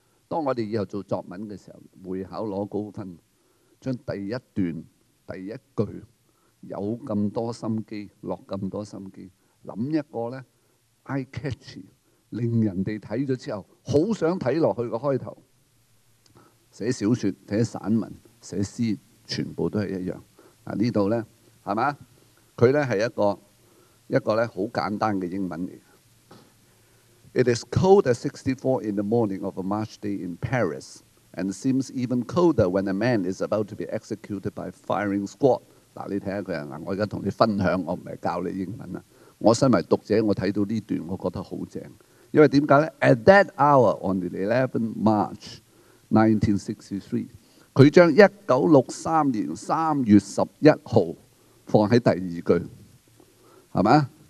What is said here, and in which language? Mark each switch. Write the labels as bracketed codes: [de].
[yue] 當我哋以後做作文嘅時候，會考攞高分，將第一段第一句有咁多心機，落咁多心機，諗一個咧 eye catch， 令人哋睇咗之後好想睇落去嘅開頭。寫小說、寫散文、寫詩，全部都係一樣。嗱呢度咧，係嘛？佢咧係一個咧好簡單嘅英文嚟。 [en] It is cold at 64 in the morning of a March day in Paris, and seems even colder when a man is about to be executed by firing squad. [yue] 嗱，你睇下佢啊！嗱，我而家同你分享，我唔係教你英文啊。我身為讀者，我睇到呢段，我覺得好正。因為點解咧 ？ [en] At that hour on the 11th March。 [yue] 1963，佢將1963年3月11日放喺第二句，係嘛？